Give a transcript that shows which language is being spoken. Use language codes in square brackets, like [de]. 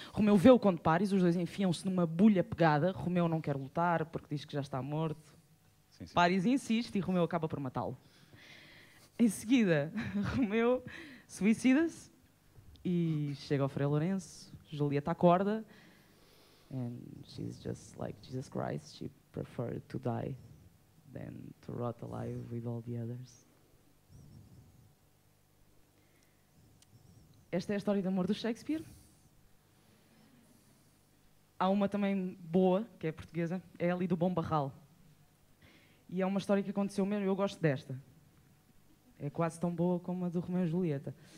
[pt] Romeu vê o Conde Paris, os dois enfiam-se numa bulha pegada. Romeu não quer lutar porque diz que já está morto. Sim, sim. Paris insiste e Romeu acaba por matá-lo. Em seguida, Romeu suicida-se e chega ao Frei Lourenço. Julieta acorda. [en] And she's just like Jesus Christ. She preferred to die than to rot alive with all the others. [pt] Esta é a história do amor do Shakespeare. Há uma também boa, que é portuguesa. É ali do Bom Barral. E é uma história que aconteceu mesmo, eu gosto desta. É quase tão boa como a do Romeu e Julieta.